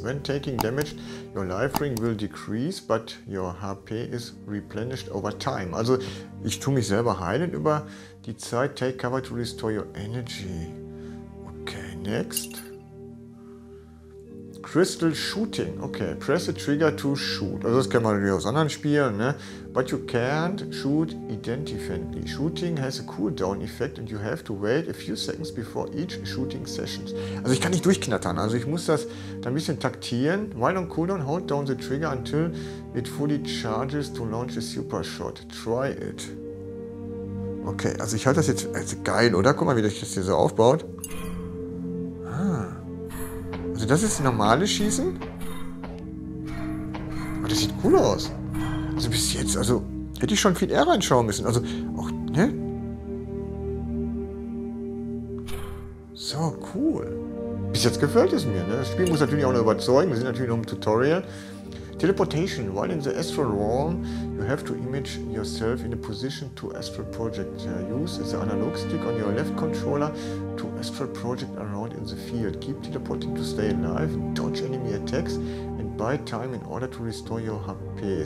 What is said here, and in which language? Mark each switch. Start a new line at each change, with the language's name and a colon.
English: When taking damage, your life ring will decrease, but your HP is replenished over time.
German: Also, ich tue mich selber heilen über die Zeit.
English: Take cover to restore your energy. Okay, next. Crystal Shooting. Okay, press the trigger to shoot.
German: Also das kennen wir aus anderen Spielen, ne?
English: But you can't shoot indefinitely. Shooting has a cooldown effect and you have to wait a few seconds before each shooting session.
German: Also ich kann nicht durchknattern, also ich muss das dann ein bisschen taktieren.
English: While on cooldown, hold down the trigger until it fully charges to launch a super shot. Try it.
German: Okay, also ich halte das jetzt als geil, oder? Guck mal, wie das jetzt hier so aufbaut. Also das ist normales Schießen. Oh, das sieht cool aus. Also bis jetzt, also hätte ich schon viel eher reinschauen müssen. Also auch, ne? So, cool. Bis jetzt gefällt es mir, ne? Das Spiel muss natürlich auch noch überzeugen. Wir sind natürlich noch im Tutorial.
English: Teleportation. While in the astral realm, you have to image yourself in a position to astral project. Use the analog stick on your left controller to astral project around in the field. Keep teleporting to stay alive, dodge enemy attacks and buy time in order to restore your HP.